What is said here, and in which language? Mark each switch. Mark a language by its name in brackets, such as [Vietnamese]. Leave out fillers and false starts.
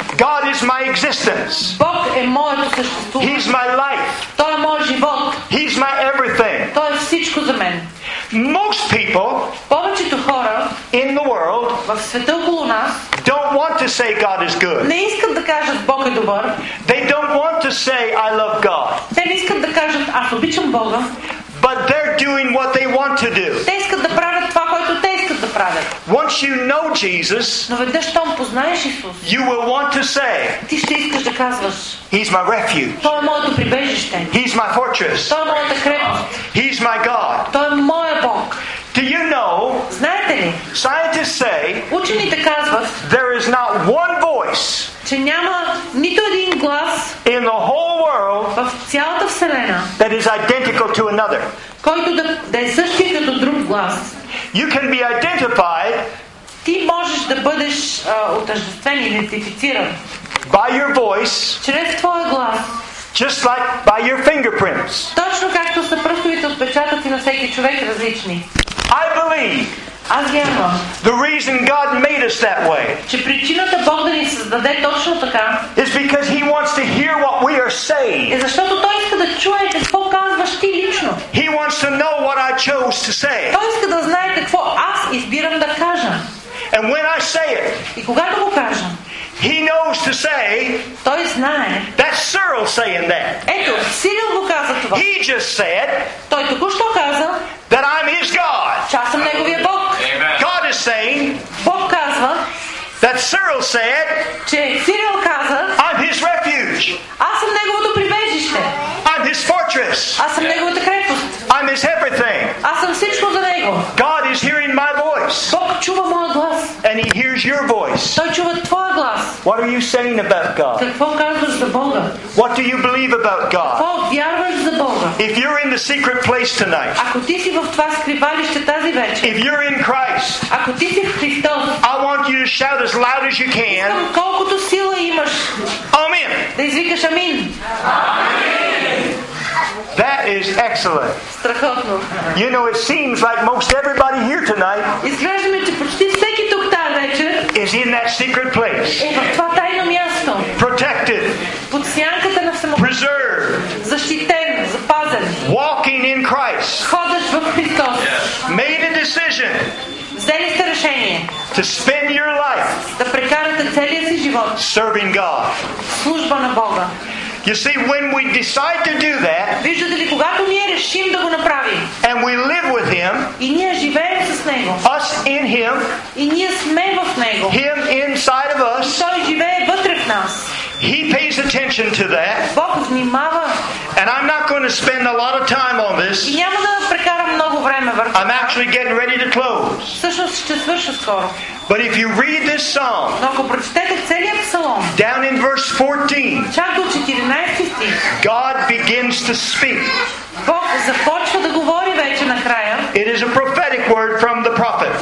[English] God is my existence. [Bulgarian] Бог е моето съществуване. [English] He's my life. [Bulgarian] Той е моят живот. [English] He's my everything. [Bulgarian] Той е всичко за мен. [English] Most people, [Bulgarian] повечето хора, [English] in the world, [Bulgarian] в света около нас, [English] don't want to say God is good. [Bulgarian] Не искат да кажат Бог е добър. [English] They don't want to say I love God. [Bulgarian] Те не искат да кажат аз обичам Бога. [English] But they're doing what they want to do. [Bulgarian] Те искат да правят това, което те искат да правят. [English] Once you know Jesus, [Bulgarian] но веднъж щом познаеш Исус, [English] you will want to say, [Bulgarian] ти ще искаш да казваш, [English] He's my refuge. [Bulgarian] Той е моето прибежище. [English] He's my fortress. [Bulgarian] Той е моята крепост. [English] He's my God. [Bulgarian] Той е моя Бог. [English] Do you know? [Bulgarian] Знаете ли? [English] Scientists say, [Bulgarian] учените казват, [English] there is not one voice, [Bulgarian] че няма нито един глас [English] in the whole world, [Bulgarian] в цялата вселена, [English] that is identical to another. [Bulgarian] Който да е същия като друг глас. [English] You can be identified, [Bulgarian] ти можеш да бъдеш отъждествен, идентифициран, [English] by your voice, [Bulgarian] чрез твоя глас, [English] just like by your fingerprints. [Bulgarian] Точно както са пръстовите отпечатъци на всеки човек различни. [English] I believe. [Bulgarian] Аз вярвам. [English] The reason God made us that way. [Bulgarian] Че причината Бог да ни създаде точно така. [English] Is because He wants to hear what we are saying. [Bulgarian] Е защото Той иска да чуе какво казваш ти лично. [English] He wants to know what I chose to say. [Bulgarian] Той иска да знае какво аз избирам да кажа. [English] And when I say it. [Bulgarian] И когато го кажа. [English] He knows to say. [Bulgarian] Той знае. [English] That's Cyril saying that. [Bulgarian] Ето, Сирил го каза това. [English] He just said. [Bulgarian] Той току-що каза. [English] That I'm His God. [Bulgarian] Че аз съм Неговия Бог. [English] Amen. God is saying. [Bulgarian] Бог казва. [English] That Cyril said. [Bulgarian] Че Сирил каза. [English] I'm His refuge. [Bulgarian] Аз съм Неговото прибежище. [English] I'm His fortress. [Bulgarian] Аз съм Неговата крепост. [English] I'm His everything. [Bulgarian] Аз съм всичко за Него. [English] God is hearing my voice. [Bulgarian] Бог чува моя глас. [English] And He hears your voice. [Bulgarian] Той чува твоя глас. [English] What are you saying about God? [Bulgarian] Какво казваш за Бога? [English] What do you believe about God? [Bulgarian] Какво вярваш за Бога? [English] If you're in the secret place tonight. [Bulgarian] Ако ти си в това скривалище тази вечер. [English] If you're in Christ. [Bulgarian] Ако ти си в Христос. [English] I want you to shout as loud as you can. [Bulgarian] Искам колкото сила имаш. [English] Amen. [Bulgarian] Да извикаш амин. [English] That is excellent. [Bulgarian] Страхотно. [English] You know, it seems like most everybody here tonight [Bulgarian] изглежда ми, че почти всеки тук тази вечер [English] is in that secret place. [Bulgarian] Е в това тайно място. [English] Protected. [Bulgarian] Под сянката на самотата. [English] Preserved. [Bulgarian] Защитен, запазен. [English] Walking in Christ. [Bulgarian] Ходиш в Христос. [English] Made a decision. [Bulgarian] Взели сте решение. [English] To spend your life. [Bulgarian] Да прекарате целия си живот. [English] Serving God. [Bulgarian] Служба на Бога. [English] You see, when we decide to do that, [Bulgarian] виждате ли, когато ние решим да го направим, [English] and we live with Him, [Bulgarian] и ние живеем с Него, [English] us in Him, [Bulgarian] и ние сме в Него, [English] Him inside of us, [Bulgarian] и Той живее вътре в нас, [English] He pays attention to that. [Bulgarian] Бог внимава. [English] And I'm not going to spend a lot of time on this. [Bulgarian] И няма да прекарам много време върху това. [English] I'm actually getting ready to close. [Bulgarian] Всъщност ще свърша скоро. [English] But if you read this psalm, [Bulgarian] но ако прочетете целият псалом, [English] down in verse 14, [Bulgarian] чак до 14 стих, [English] God begins to speak. [Bulgarian] Бог започва да говори вече накрая. [English] It is a prophetic word from the prophet.